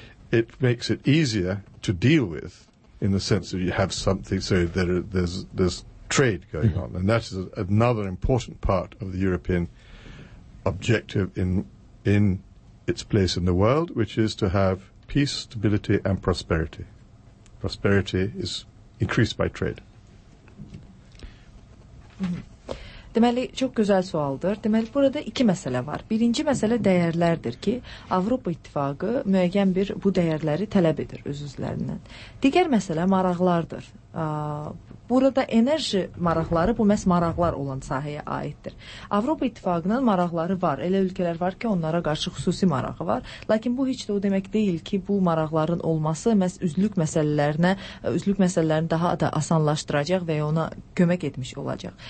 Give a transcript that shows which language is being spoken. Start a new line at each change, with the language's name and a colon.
English: It makes it easier to deal with, in the sense that you have something, so there's trade going on. And that is another important part of the European objective in its place in the world, which is to have peace, stability, and prosperity. Prosperity is increased by trade.
Azerbaijani: Demeli çok güzel sualdır. Demeli burada iki mesele var. Birinci mesele değerlerdir ki Avrupa İttifakı müeyyen bir bu değerleri talep eder özüzlerinden. Diğer mesele maraqlardır. Burada enerji maraqları bu məhz maraqlar olan sahəyə aiddir. Avropa İttifaqının maraqları var. Elə ölkələr var ki, onlara qarşı xüsusi marağı var. Lakin bu heç də o demək deyil ki, bu maraqların olması məhz üzlük məsələlərini daha da asanlaşdıracaq və ona kömək etmiş olacaq.